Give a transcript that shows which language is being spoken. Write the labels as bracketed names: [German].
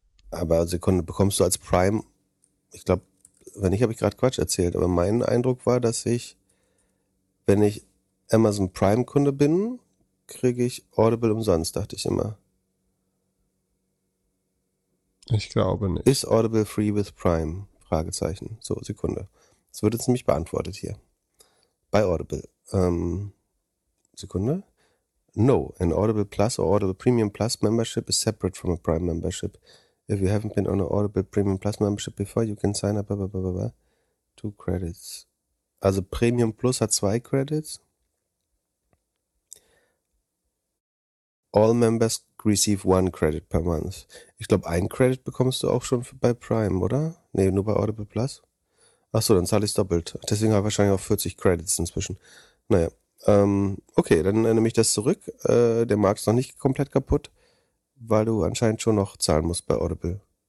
[German] Aber Sekunde, bekommst du als Prime, ich glaube, wenn nicht, habe ich gerade Quatsch erzählt, aber mein Eindruck war, dass ich, wenn ich Amazon Prime-Kunde bin, kriege ich Audible umsonst, dachte ich immer. Ich glaube nicht. [English] Ist Audible free with Prime? [German] Fragezeichen. So, Sekunde. Es wird jetzt nämlich beantwortet hier. Bei Audible. Sekunde. [English] No, an Audible Plus or Audible Premium Plus Membership is separate from a Prime Membership. If you haven't been on an Audible Premium Plus Membership before, you can sign up. Blah, blah, blah, blah. 2 Credits. [German] Also Premium Plus hat 2 Credits. [English] All members receive 1 Credit per month. [German] Ich glaube, 1 Credit bekommst du auch schon bei Prime, oder? Nee, nur bei Audible Plus. Achso, dann zahle ich es doppelt. Deswegen habe ich wahrscheinlich auch 40 Credits inzwischen. Naja. Okay, dann nehme ich das zurück. Der Markt ist noch nicht komplett kaputt, weil du anscheinend schon noch zahlen musst bei Audible.